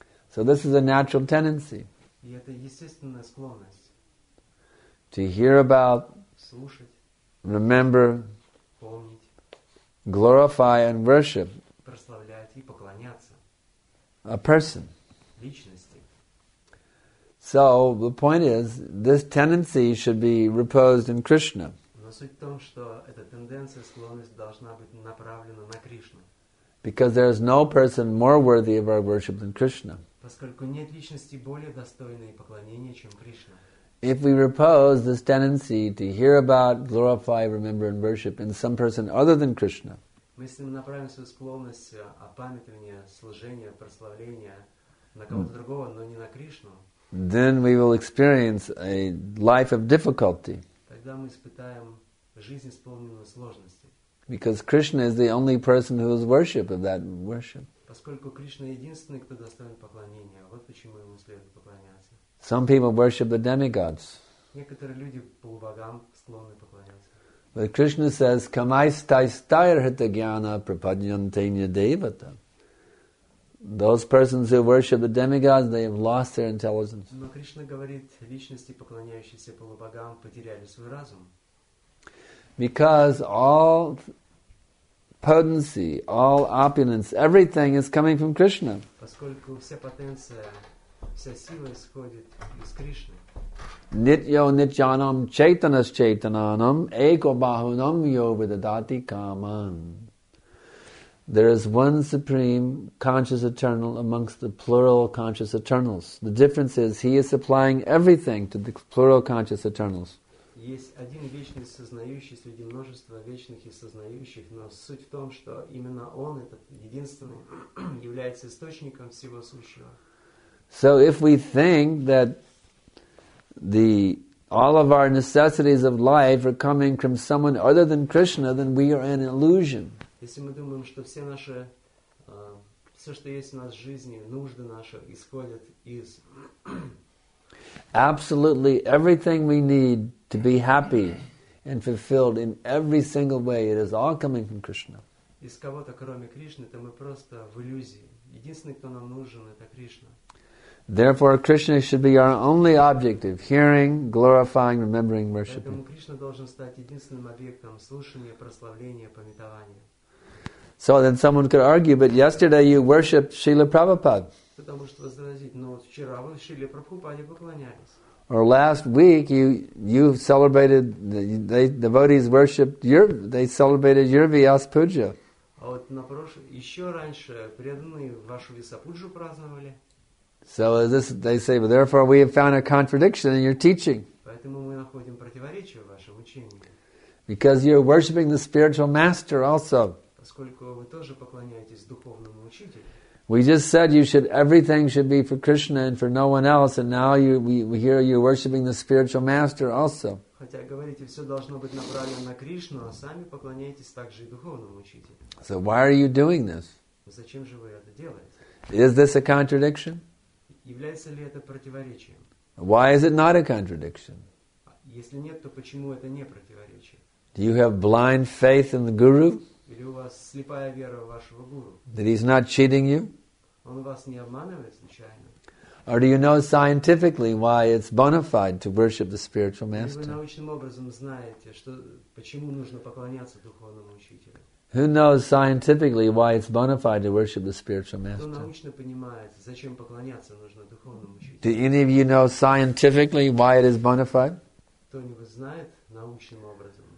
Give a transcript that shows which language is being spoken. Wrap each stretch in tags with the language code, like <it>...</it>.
<en>So this is a natural tendency.</en> <ru>И это естественная склонность.</ru> <en>To hear about,</en> <ru>слушать,</ru> <en>remember,</en> <ru>помнить,</ru> <en>glorify and worship,</en> <ru>прославлять и поклоняться,</ru> <en>a person.</en> <ru>Личности.</ru> <en>So the point is, this tendency should be reposed in Krishna.</en> <ru>Но суть в том, что эта тенденция, склонность должна быть направлена на Кришну.</ru> <en>Because there is no person more worthy of our worship than Krishna.</en> <ru>Поскольку нет личности более достойной поклонения, чем Кришна.</ru> <en>If we repose this tendency to hear about, glorify, remember and worship in some person other than Krishna.</en> <ru>Мы если мы направим свою склонность о памятовании, служении, прославлении на кого-то другого, но не на Кришну.</ru> <en>Then we will experience a life of difficulty.</en> <ru>Когда мы испытаем жизнь, исполненную сложностей.</ru> <en>Because Krishna is the only person who is worship of that worship.</en> <ru>Поскольку Кришна единственный, кто достоин поклонения, вот почему ему следует поклоняться.</ru> <en>Some people worship the demigods.</en> <ru>Некоторые люди полубогам склонны поклоняться.</ru> <en>But Krishna says,</en> <sa>"Kamaistaistairhitagyana prapadyantena devata."</sa> <en>Those persons who worship the demigods, they have lost their intelligence.</en> <ru>Но Кришна говорит, личности, поклоняющиеся полубогам, потеряли свой разум.</ru> <en>Because all potency, all opulence, everything is coming from Krishna.</en> <ru>Поскольку вся потенция, вся сила исходит из Кришны.</ru> <sa>Nityo nityanam chaitanas chaitananam eko bahunam yo vidadati kaman.</sa> <en>There is one supreme conscious eternal amongst the plural conscious eternals. The difference is he is supplying everything to the plural conscious eternals.</en> <ru>Есть один вечный сознающий среди множества вечных и сознающих, но суть в том, что именно он, этот единственный, является источником всего сущего.</ru> <en>So if we think that all of our necessities of life are coming from someone other than Krishna, then we are an illusion.</en> <ru>Если мы думаем, что все наши, все, что есть у нас в жизни, нужды наши исходят из...</ru> <en>Absolutely everything we need to be happy and fulfilled in every single way, it is all coming from Krishna.</en> <ru>Из кого-то, кроме Кришны, то мы просто в иллюзии. Единственный, кто нам нужен, это Кришна.</ru> <en>Therefore, Krishna should be our only object of hearing, glorifying, remembering, worshiping.</en> <ru>Поэтому Кришна должен стать единственным объектом слушания, прославления, памятования.</ru> <en>So then someone could argue, but yesterday you worshipped Srila Prabhupada.</en> <ru>Потому что возразить, но вчера вы Шриле Прабхупаде поклонялись.</ru> <en>Or last week you celebrated the devotees celebrated your Vyas Puja.</en> <ru>А вот на прошлый, еще раньше преданные вашу Висапуджу праздновали.</ru> <en>So this they say, well, therefore we have found a contradiction in your teaching.</en> <ru>Поэтому мы находим противоречие в вашем учении.</ru> <en>Because you're worshiping the spiritual master also.</en> <ru>Поскольку вы тоже поклоняетесь духовному учителю.</ru> <en>We just said everything should be for Krishna and for no one else, and now you're worshiping the spiritual master also.</en> <ru>Хотя говорите, все должно быть направлено на Кришну, а сами поклоняетесь также и духовному учителю.</ru> <en>So why are you doing this?</en> <ru>Зачем же вы это делаете?</ru> <en>Is this a contradiction?</en> <ru>Является ли это противоречием?</ru> <en>Why is it not a contradiction?</en> <ru>Если нет, то почему это не противоречие?</ru> <en>Do you have blind faith in the guru?</en> <ru>Или у вас слепая вера в вашего гуру?</ru> <en>That he's not cheating you?</en> <ru>Он вас не обманывает случайно?</ru> <en>Or do you know scientifically why it's bona fide to worship the spiritual master?</en> <ru>Или вы научным образом знаете, что почему нужно поклоняться духовному учителю?</ru> <en>Who knows scientifically why it's bona fide to worship the spiritual master?</en> <ru>Кто научно понимает, зачем поклоняться нужно духовному учителю?</ru> <en>Do any of you know scientifically why it is bona fide?</en> <ru>Кто-нибудь знает научным образом?</ru>